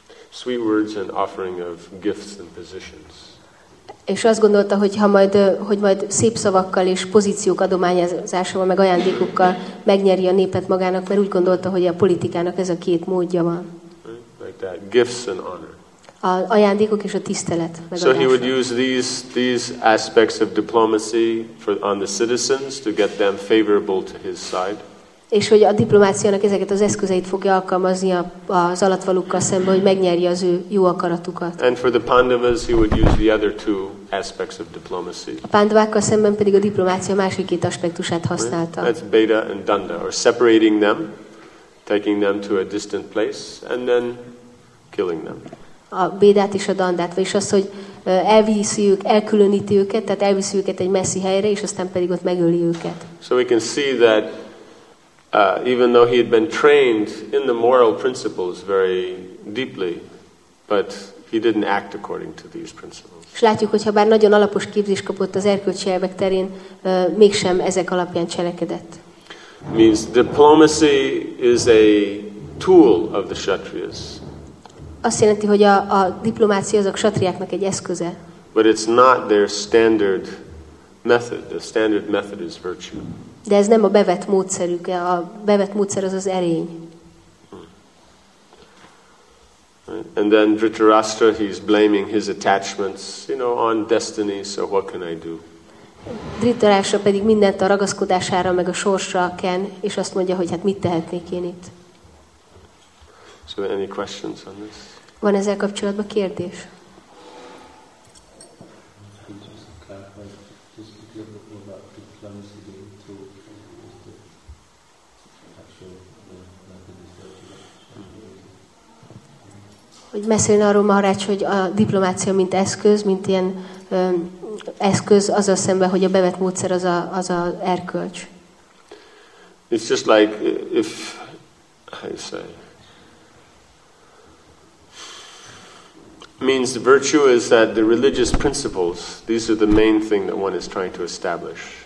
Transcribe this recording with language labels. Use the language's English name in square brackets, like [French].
[English] sweet words and offering of gifts and positions. [Hungarian] És azt gondolta, hogy majd szép szavakkal és pozíciók adományozásával, meg ajándékokkal megnyeri a népet magának, mert úgy gondolta, hogy a politikának ez a két módja van. [English] Like that, gifts and honor. [Hungarian] A ajándékok és a tisztelet. [English] So he would use these aspects of diplomacy on the citizens to get them favorable to his side. [Hungarian] És hogy a diplomáciának ezeket az eszközeit fogja alkalmazni az alattvalókkal szemben, hogy megnyerje az ő jó akaratukat. [English] And for the Pandavas, he would use the other two aspects of diplomacy. [Hungarian] A Pándavákkal szemben pedig a diplomácia másik két aspektusát használta. [English] That's Beda and Danda, or separating them, taking them to a distant place, and then killing them. [Hungarian] A Bédát és a Dandát, vagyis az, hogy elkülöníti őket, tehát elviszi őket egy messzi helyre, és aztán pedig ott megöli őket. [English] So we can see that even though he had been trained in the moral principles very deeply, but he didn't act according to these principles. [Hungarian] És látjuk, hogy ha bár nagyon alapos képzést kapott az erkölcsi elvek terén, mégsem ezek alapján cselekedett. [English] Means diplomacy is a tool of the kshatriyas. [Hungarian] Azt jelenti, hogy a diplomácia az a kshatriáknak egy eszköze. [English] But it's not their standard method. The standard method is virtue. [Hungarian] De ez nem a bevett módszerük. A bevett módszer az az erény. [English] And then Dhritarashtra, he's blaming his attachments, you know, on destiny. So what can I do? [Hungarian] Dhritarashtra pedig mindent a ragaszkodására, meg a sorsra ken, és azt mondja, hogy hát mit tehetnék én itt. [English] So any questions on this? [Hungarian] Van ezzel kapcsolatban kérdés? Hogy beszélni arról Maharács, hogy a diplomácia mint eszköz, mint ilyen eszköz, az a szemben, hogy a bevett módszer az a, az a erkölcs. [English] It's just like if I say means the virtue is that the religious principles, these are the main thing that one is trying to establish.